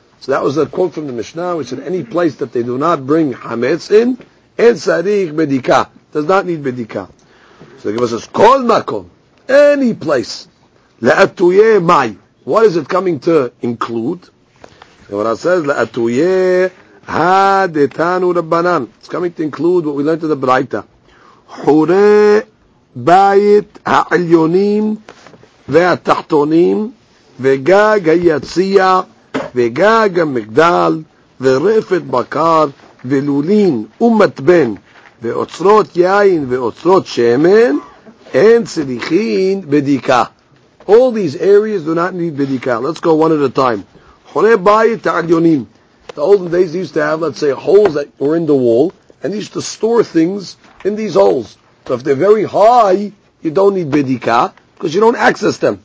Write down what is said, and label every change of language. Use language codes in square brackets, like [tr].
[en] So that was a quote from the Mishnah, which said, any place that they do not bring hametz in, en sarich bedika, does not need bedika. So the Gemara says, kol makom, any place, le'atuye mai. What is it coming to include? The Gemara says, le'atuye ha'detanu rabbanan. It's coming to include what we learned in the Braita. [he] Hure bayit ha'alyonim ve'atachtonim, וגג היציע, וגג המגדל, ורפת בקר, ולולין ומתבן ואוצרות יין ואוצרות שמן אין צריכין בדיקה. [en] All these areas do not need בדיקה. Let's go one at a time. חורי בית העליונים. The olden days they used to have, let's say, holes that were in the wall, and they used to store things in these holes. So if they're very high, you don't need bedika, because you don't access them.